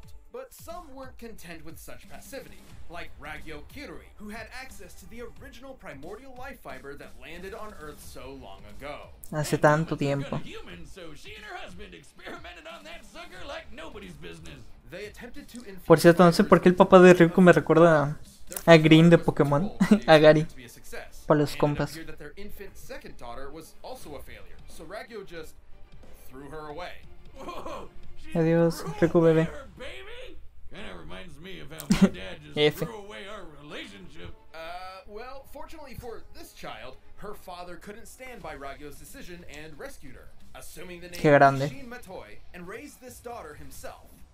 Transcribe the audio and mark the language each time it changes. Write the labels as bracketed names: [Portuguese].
[English] But some weren't content with such passivity, like Raggio Kirui, who had access to the original primordial life fiber that landed on Earth so long ago. [Spanish] Hace tanto tiempo. [English] Human, so she and her husband experimented on that sucker like nobody's business. They attempted to infuse. [Spanish] Por cierto, no sé por qué el papá de Ryuko me recuerda a Green de Pokémon, a Gary. Por los compas. [English] And it appeared that their infant second daughter was also a failure, so Raggio just threw her away. [Spanish] Adiós, Ryuko bebé. [English] Kinda reminds me of how my dad just threw away our relationship. Well, fortunately for this child, her father couldn't stand by Raggio's decision and rescued her, assuming the name of Shin Matoi, and raised this daughter himself.